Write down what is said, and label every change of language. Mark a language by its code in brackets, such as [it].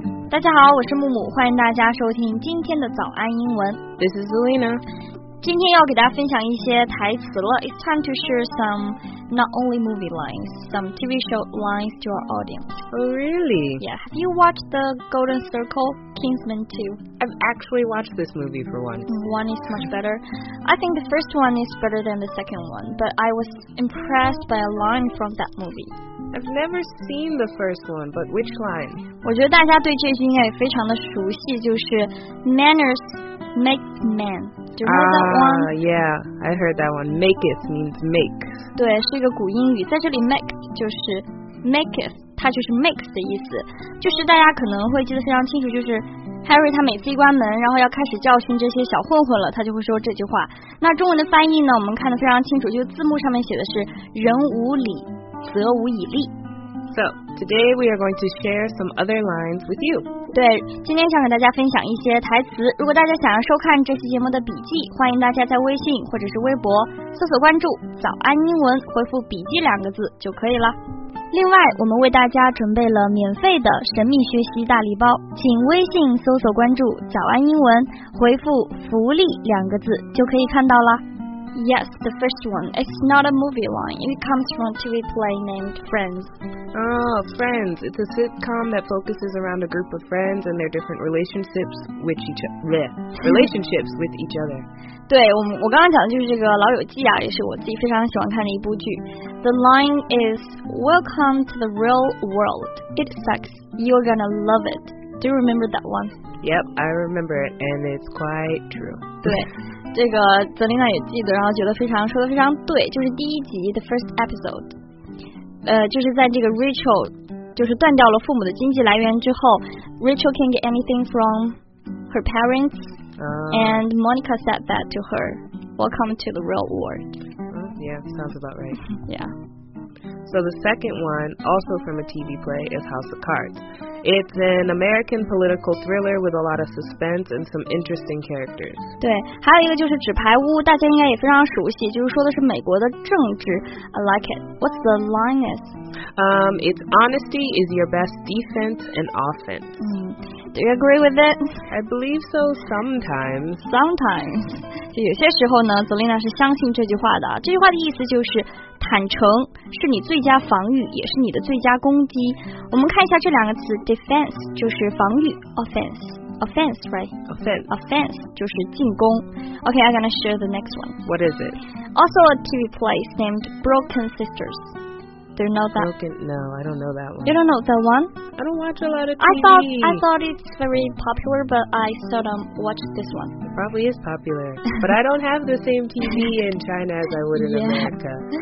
[zh] 大家好，我是木木，欢迎大家收听今天的早安英文。 [en] This is Zulina。 [zh] 今天要给大家分享一些台词了。 [en] It's time to share some not only movie lines, some TV show lines to our audience. Oh, really? Yeah. Have you watched the Golden Circle, Kingsman 2? I've actually watched this movie for once. One is much better. I think the first one is better than the second one, but I was impressed by a line from that movie. I've never seen the first one, but which line? [zh] 我觉得大家对这句应该也非常的熟悉，就是 [en] Manners makes men. Do you know that one? Yeah, I heard that one. Maketh means make. [zh] 对，是一个古英语，在这里 make 就是 maketh， 它就是 makes 的意思。就是大家可能会记得非常清楚，就是 Harry 他每次一关门，然后要开始教训这些小混混了，他就会说这句话。那中文的翻译呢，我们看得非常清楚，就是字幕上面写的是人无理。则无以立。 [en] So, today we are going to share some other lines with you. [zh] 对，今天想给大家分享一些台词。如果大家想要收看这期节目的笔记，欢迎大家在微信或者是微博搜索关注早安英文，回复笔记两个字就可以了。另外，我们为大家准备了免费的神秘学习大礼包，请微信搜索关注早安英文，回复福利两个字就可以看到了。 [en] Yes, the first one. It's not a movie line. It comes from a TV play named Friends. Oh, Friends. It's a sitcom that focuses around a group of friends and their different relationships with each other. Relationships with each other. [zh] 对，我刚刚讲的就是这个《老友记》啊，也是我自己非常喜欢看的一部剧。 [en] The line is, Welcome to the real world. It sucks. You're gonna love it. Do you remember that one? Yep, I remember it, and it's quite true. [zh] 对。这个泽琳娜也记得，然后觉得非常说得非常对，就是第一集 [en] the first episode， [zh] 就是在这个 Rachel 就是断掉了父母的经济来源之后， [en] Rachel can't get anything from her parents、and Monica said that to her, Welcome to the real world. Yeah, sounds about right. Yeah. So the second one, also from a TV play, is House of Cards. It's an American political thriller with a lot of suspense and some interesting characters. [zh] 对，还有一个就是纸牌屋，大家应该也非常熟悉，就是说的是美国的政治。 [en] I like it. What's the line is? It's honesty is your best defense and offense. Do you agree with it? I believe so sometimes. Sometimes. [zh] 就有些时候呢，泽琳娜是相信这句话的。这句话的意思就是坦诚是你最佳防御，也是你的最佳攻击。我们看一下这两个词 ，defense 就是防御 ，offense，offense right？offense 就是进攻。 [en] Okay, I'm gonna share the next one. What is it? Also a TV play named Broken Sisters. Do you know that? Broken? No, I don't know that one. You don't know that one? I don't watch a lot of TV. I thought it's very popular, but I seldom watch this one. It probably is popular, but I don't have the same TV in China as I would in America.